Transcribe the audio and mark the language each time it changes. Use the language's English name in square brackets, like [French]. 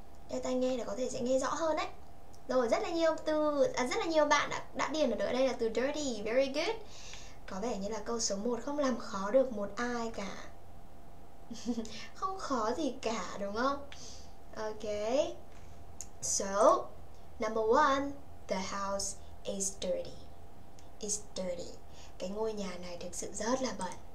[Vietnamese] Đeo tai nghe để có thể sẽ nghe rõ hơn đấy. Rồi, rất là nhiều bạn đã điền ở đây là từ dirty. [English] Very good. [Vietnamese] Có vẻ như là câu số 1 không làm khó được một ai cả. Không khó gì cả đúng không? [English] Ok. So, number 1, the house is dirty. Is dirty. [Vietnamese] Cái ngôi nhà này thực sự rất là bẩn.